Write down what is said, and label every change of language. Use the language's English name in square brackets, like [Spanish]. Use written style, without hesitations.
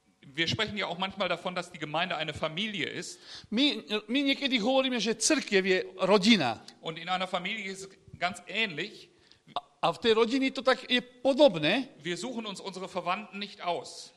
[German] Wir sprechen ja auch manchmal davon, dass die Gemeinde eine Familie ist. [Slovak] My niekedy hovoríme, že cirkev je rodina. [German] Und in einer Familie ist ganz ähnlich. [Slovak] A v tej rodine to tak je podobné. [German] Wir suchen uns unsere Verwandten nicht aus.